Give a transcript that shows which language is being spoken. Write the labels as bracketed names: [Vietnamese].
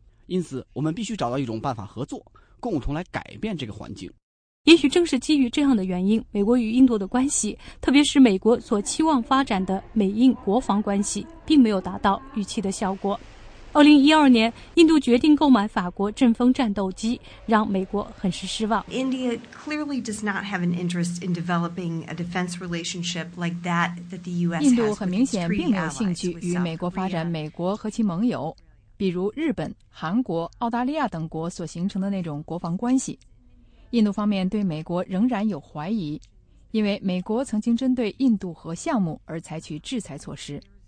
[Chinese] 因此，我们必须找到一种办法合作，共同来改变这个环境。也许正是基于这样的原因，美国与印度的关系，特别是美国所期望发展的美印国防关系，并没有达到预期的效果。 2012年，印度决定购买法国阵风战斗机，让美国很是失望。 [English] India clearly does not have an interest in developing a defense relationship like that that the U.S. [Chinese] 印度很明显并没有兴趣与美国发展美国和其盟友，比如日本、韩国、澳大利亚等国所形成的那种国防关系。印度方面对美国仍然有怀疑，因为美国曾经针对印度核项目而采取制裁措施。